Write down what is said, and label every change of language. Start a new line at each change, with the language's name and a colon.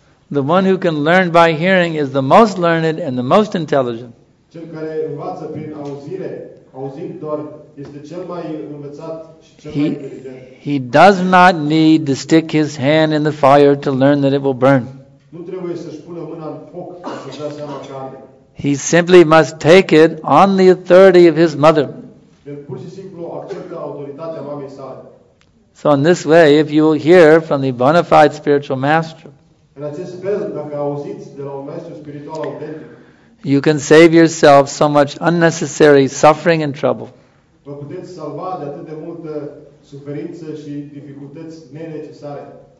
English: The one who can learn by hearing is the most learned and the most intelligent.
Romanian: Cel care învață prin auzire, auzind doar, este cel mai învățat și cel mai inteligent.
English: He does not need to stick his hand in the fire to learn that it will burn.
Romanian: Nu trebuie să-și pună mâna în foc ca să-și dea seama că arde.
English: He simply must take it on the authority of his mother.
Romanian: El pur și simplu acceptă autoritatea mamei sale.
English: So in this way, if you will hear from the bona fide spiritual master,
Romanian: în acest fel, dacă auziți de la un maestru spiritual autentic,
English: you can save yourself so much unnecessary suffering and trouble.
Romanian: Vă puteți salva de atât de multă suferință și dificultăți nenecesare.